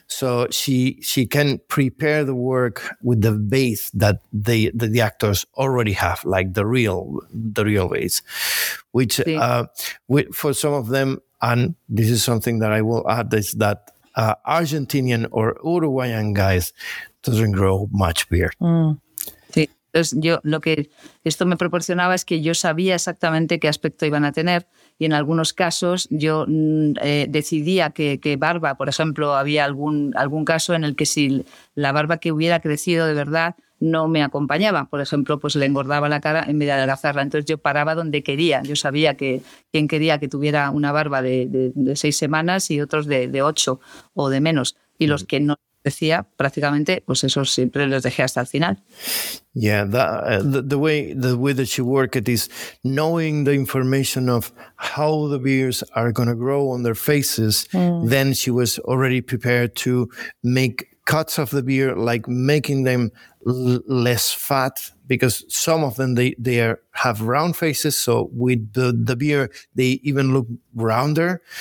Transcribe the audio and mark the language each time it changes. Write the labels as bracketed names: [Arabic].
[English] So she can prepare the work with the base that the actors already have, like the real base, which for some of them. And this is something that I will add, is that Argentinian or Uruguayan guys doesn't grow much beard. [Spanish] Sí, entonces yo lo que esto me proporcionaba es que yo sabía exactamente qué aspecto iban a tener, y en algunos casos yo decidía que barba, por ejemplo, había algún caso en el que si la barba que hubiera crecido de verdad no me acompañaba, por ejemplo, pues le engordaba la cara en vez de adelgazarla. Entonces yo paraba donde quería. Yo sabía que quien quería que tuviera una barba de 6 semanas y otros de 8 o de menos. Y los que no decía prácticamente, pues eso siempre los dejé hasta el final. [English] Yeah, the way that she worked it is knowing the information of how the beards are going to grow on their faces. Mm. Then she was already prepared to make cuts of the beard, like making them less fat, because some of them they have round faces, so with the beard they even look rounder.